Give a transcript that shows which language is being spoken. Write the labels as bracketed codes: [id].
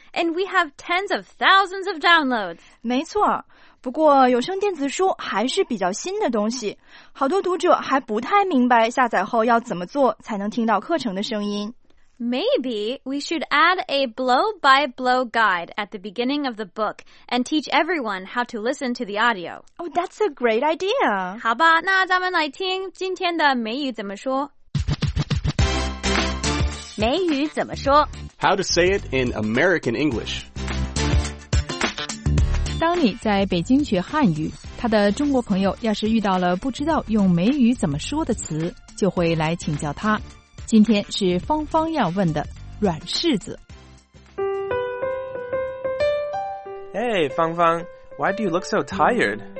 [en] And we have tens of thousands of downloads! [zh] 没错,不过有声电子书还是比较新的东西,好多读者还不太明白下载后要怎么做才能听到课程的声音。 [en] Maybe we should add a blow-by-blow guide at the beginning of the book and teach everyone how to listen to the audio. Oh, that's a great idea. [zh] 好吧，那咱们来听今天的美语怎么说。美语怎么说 [en] ？How to say it in American English. [zh] 当你在北京学汉语，他的中国朋友要是遇到了不知道用美语怎么说的词，就会来请教他。今天是芳芳要问的软柿子。 [en] Hey, 芳芳, why do you look so tired?